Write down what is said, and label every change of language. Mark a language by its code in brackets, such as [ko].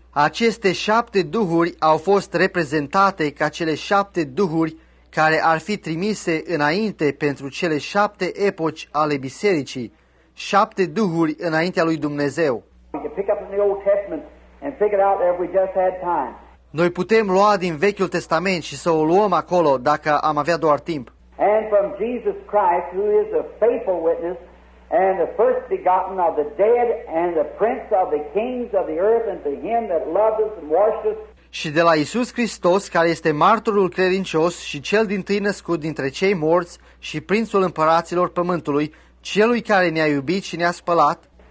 [ro] Aceste șapte duhuri au fost reprezentate ca cele șapte duhuri care ar fi trimise înainte pentru cele șapte epoci ale bisericii. Șapte duhuri înaintea lui Dumnezeu. [en] We can pick up in the Old Testament and pick it out there if we just had time. [ro] Noi putem lua din Vechiul Testament și să o luăm acolo dacă am avea doar timp. [en] And from Jesus Christ, who is a faithful witness and the first begotten of the dead, and the prince of the kings of the earth, and to him that loved us and washed us. [ro] Și de la Iisus Hristos, care este martorul credincios și cel dintâi născut dintre cei morți și prințul împăraților pământului, celui care ne-a iubit și ne-a spălat.